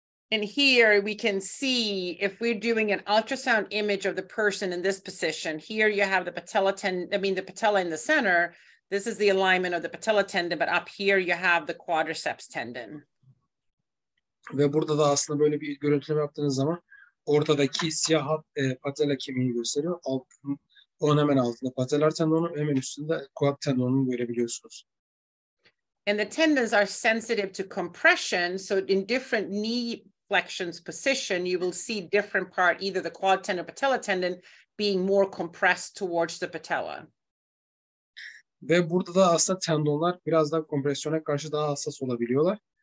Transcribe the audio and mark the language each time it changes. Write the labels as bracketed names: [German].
[English] And here we can see if we're doing an ultrasound image of the person in this position, here you have the patella in the center. This is the alignment of the patella tendon, but up here you have the quadriceps tendon. [Turkish] Ve burada da aslında böyle bir görüntüleme yaptığınız zaman ortadaki siyah hat patella kemiği gösteriyor. Onun hemen altında patellar tendonu, hemen üstünde quad tendonunu görebiliyorsunuz. [English] And the tendons are sensitive to compression, so in different knee flexions position, you will see different part, either the quad tendon or patella tendon, being more compressed towards the patella. [Turkish] Ve burada da aslında tendonlar biraz daha kompresyona karşı daha hassas olabiliyorlar.